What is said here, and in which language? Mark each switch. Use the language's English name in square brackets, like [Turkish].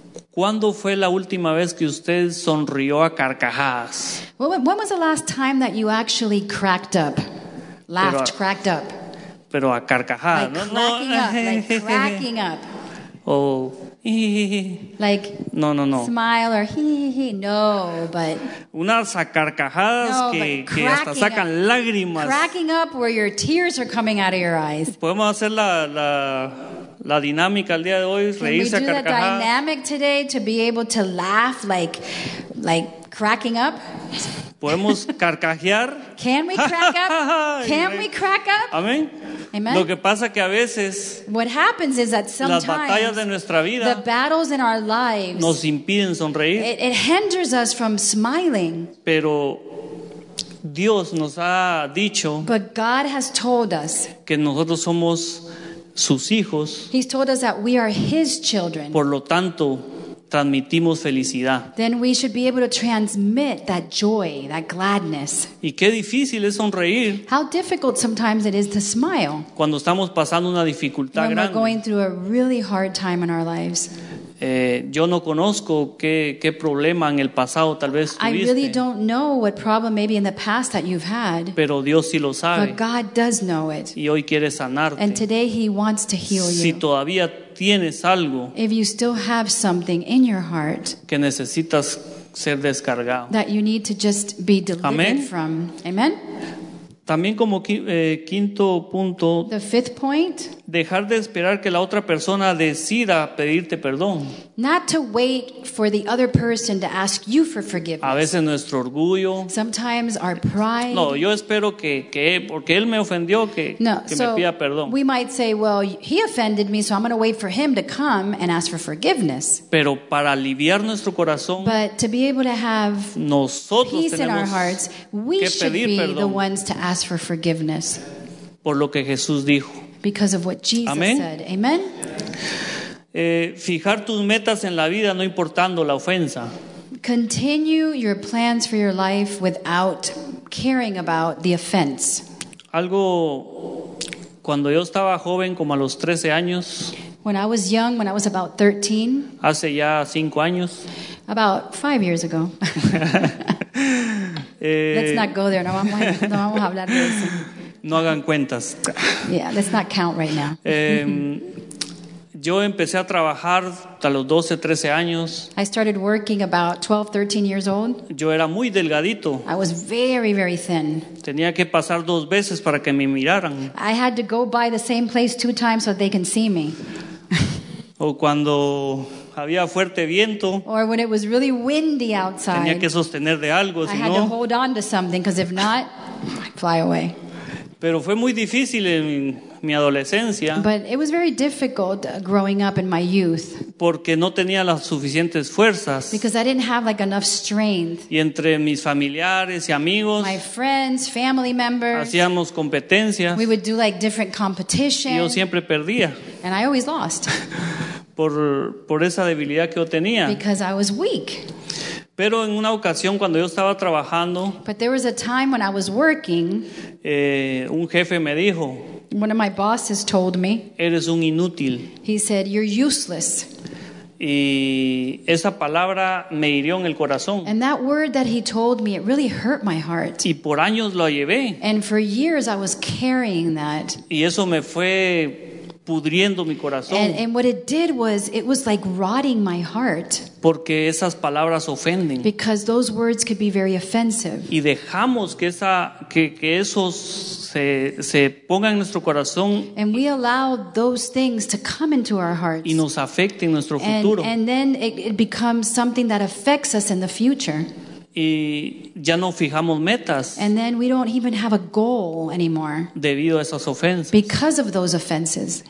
[Spanish] ¿Cuándo fue la última vez que usted sonrió a carcajadas? [English] When was the last time that you actually cracked up? Laughed, [Spanish] pero a, [English] cracked up. [Spanish] Pero a carcajadas. [English] Like cracking up. Like cracking up. Oh. Like [Spanish] no, no, no. [English] Smile or no, but [Spanish] unas carcajadas no, que hasta sacan [English] up, [Spanish] lágrimas. [English] Cracking up where your tears are coming out of your eyes. [Spanish] Podemos hacer la dinámica el día de hoy, reírse a carcajadas. [English] Can we do the dynamic today to be able to laugh like cracking up? [Spanish] Podemos carcajear. [English] Can we crack up? Can we crack up? [Spanish] Amén. [English] Amen. [Spanish] Lo que pasa que a veces, [English] what happens is that sometimes [Spanish] las batallas de nuestra vida, [English] the battles in our lives, [Spanish] nos impiden sonreír. [English] It hinders us from smiling. [Spanish] Pero Dios nos ha dicho, [English] but God has told us, [Spanish] que nosotros somos sus hijos. [English] He's told us that we are his children. [Spanish] Por lo tanto, transmitimos felicidad. [English] Then we should be able to transmit that joy, that gladness. [Spanish] Y qué difícil es sonreír. [English] How difficult sometimes it is to smile. [Spanish] Cuando estamos pasando una dificultad grande. [English] When we're going through a really hard time in our lives. [Spanish] Yo no conozco qué problema en el pasado tal vez tuviste. [English] I really don't know what problem maybe in the past that you've had. [Spanish] Pero Dios sí lo sabe. [English] But God does know it. [Spanish] Y hoy quiere sanarte. [English] And today he wants to heal you. [Spanish] Si todavía tienes algo, [English] if you still have something in your heart, [Spanish] que necesitas ser descargado, [English] that you need to just be delivered. [Spanish] Amen. [English] From. Amen. [Spanish] También como quinto punto, [English] the fifth point, [Spanish] dejar de esperar que la otra persona decida pedirte perdón. [English] Not to wait for the other person to ask you for forgiveness. [Spanish] A veces nuestro orgullo, [English] sometimes our pride. [Spanish] No, yo espero que porque él me ofendió que [English] so [Spanish] me pida perdón. [English] We might say, well, he offended me, so I'm going to wait for him to come and ask for forgiveness. [Spanish] Pero para aliviar nuestro corazón, [English] but to be able to have peace in our hearts, we should be [Spanish] perdón. [English] The ones to ask for forgiveness. [Spanish] Por lo que Jesús dijo. [English] Because of what Jesus [Spanish] Amen. [English] Said. Amen. [Spanish] Fijar tus metas en la vida no importando la ofensa. [English] Continue your plans for your life without caring about the offense. [Spanish] Algo cuando yo estaba joven como a los 13 años. [English] When I was young, when I was about 13. [Spanish] Hace ya 5 años. [English] About 5 years ago. let's not go there. [Spanish] No vamos a hablar de eso. No hagan cuentas. [English] Yeah, let's not count right now. [Spanish] Yo empecé a trabajar a los 12, 13 años. [English] I started working about 12, 13 years old. [Spanish] Yo era muy delgadito. [English] I was very, very thin. [Spanish] Tenía que pasar dos veces para que me miraran. [English] I had to go by the same place 2 times so they can see me. [Spanish] O cuando había fuerte viento. [English] Or when it was really windy outside. [Spanish] Tenía que sostener de algo, [English] I [Spanish] si [English] had [Spanish] no, [English] to hold on to something, because if not, I'd fly away. [Spanish] Pero fue muy difícil en mi adolescencia. [English] But it was very difficult growing up in my youth. [Spanish] Porque no tenía las suficientes fuerzas. [English] Because I didn't have like enough strength. [Spanish] Y entre mis familiares y amigos, [English] my friends, family members, [Spanish] hacíamos competencias. [English] We would do like different competitions. [Spanish] Y yo siempre perdía. [English] And I always lost. [Spanish] Por esa debilidad que yo tenía. [English] Because I was weak. [Spanish] Pero en una ocasión cuando yo estaba trabajando, [English] but there was a time when I was working, [Spanish] un jefe me dijo, [English] one of my bosses told me, [Spanish] eres un inútil. [English] He said, you're useless. [Spanish] Y esa palabra me hirió en el corazón. [English] And that word that he told me, it really hurt my heart. [Spanish] Y por años lo llevé. [English] And for years I was carrying that. [Spanish] Y eso me fue pudriendo mi corazón. [English] And what it did was, it was like rotting my heart. [Spanish] Porque esas palabras ofenden. [English] Because those words could be very offensive. [Spanish] Y dejamos que esos se pongan en nuestro corazón. [English] And we allow those things to come into our hearts. [Spanish] Y nos afecten nuestro futuro. [English] And then it becomes something that affects us in the future. [Spanish] y ya no fijamos metas. [English] And then we don't even have a goal anymore. [Spanish] Debido a esas ofensas. [English] Because of those offenses.